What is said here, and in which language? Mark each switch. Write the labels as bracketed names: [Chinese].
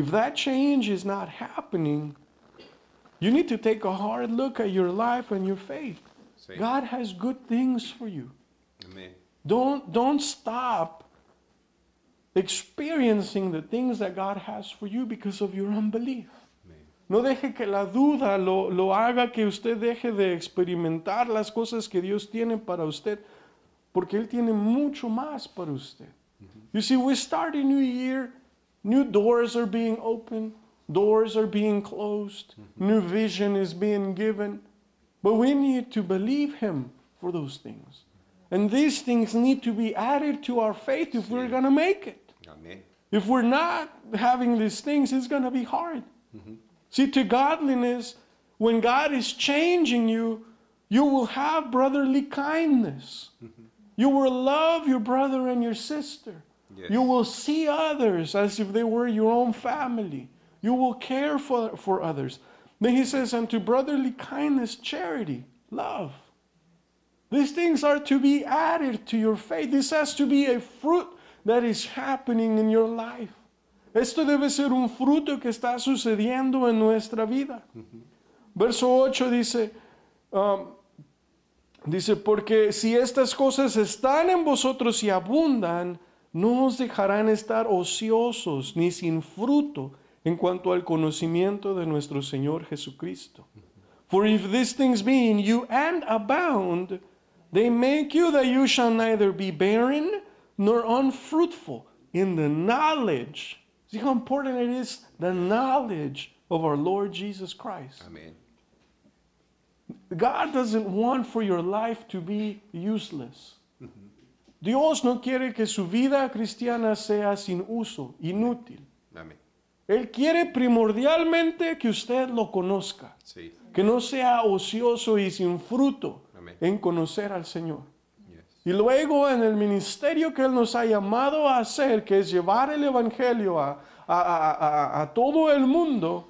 [English] If that change is not happening, you need to take a hard look at your life and your faith. See? God has good things for you. Amen. Don't stop experiencing the things that God has for you because of your unbelief. [Spanish] No deje que la duda lo haga que usted deje de experimentar las cosas que Dios tiene para usted, porque Él tiene mucho más para usted. [English] Mm-hmm. You see, we start a new year, new doors are being opened, doors are being closed, mm-hmm. new vision is being given, but we need to believe Him for those things. And these things need to be added to our faith if we're going to make it. Amen. If we're not having these things, it's going to be hard. Mm-hmm. See, to godliness, when God is changing you, you will have brotherly kindness. Mm-hmm. You will love your brother and your sister. Yes. You will see others as if they were your own family. You will care for others. Then he says, and to brotherly kindness, charity, love. These things are to be added to your faith. This has to be a fruit that is happening in your life. Esto debe ser un fruto que está sucediendo en nuestra vida. [Spanish] Verso 8 dice, porque si estas cosas están en vosotros y abundan, no os dejarán estar ociosos ni sin fruto en cuanto al conocimiento de nuestro Señor Jesucristo. [English] For if these things be in you and abound, they make you that you shall neither be barren nor unfruitful in the knowledge. See how important it is, the knowledge of our Lord Jesus Christ. Amen. God doesn't want for your life to be useless. [Spanish] Dios no quiere que su vida cristiana sea sin uso, inútil. Amen. Él quiere primordialmente que usted lo conozca. Sí. Que no sea ocioso y sin fruto. Amen. En conocer al Señor. [English] Yes. [Spanish] Y luego en el ministerio que Él nos ha llamado a hacer, que es llevar el Evangelio a todo el mundo.